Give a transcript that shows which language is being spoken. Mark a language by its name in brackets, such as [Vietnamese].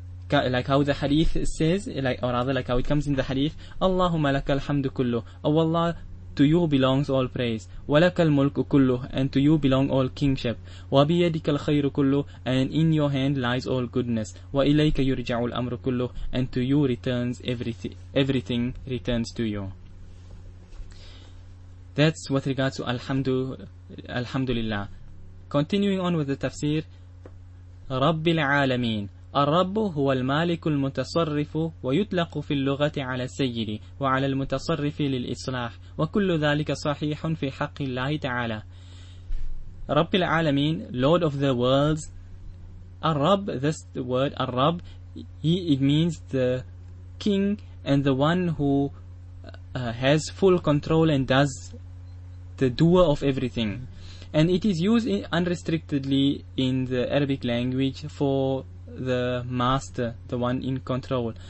[English] Like how the hadith says, like how it comes in the hadith, Allahumma laka alhamdu kullu, O Allah, to you belongs all praise, wa laka almulku kullu, and to you belong all kingship, wa biyadika alkhayru kullu, and in your hand lies all goodness, wa ilayka yurja'u al-amru kullu, and to you returns everything returns to you. That's with regards to alhamdulillah. Continuing on with the tafsir, Rabbil Alameen. [Arabic] الرب هو المالك المتصرف ويطلق في اللغة على السيد وعلى المتصرف للإصلاح وكل ذلك صحيح في حق الله تعالى. [English] رب العالمين, Lord of the worlds. الرب, this word الرب, it means the king and the one who has full control and does the doer of everything. And it is used unrestrictedly in the Arabic language for the master, the one in control.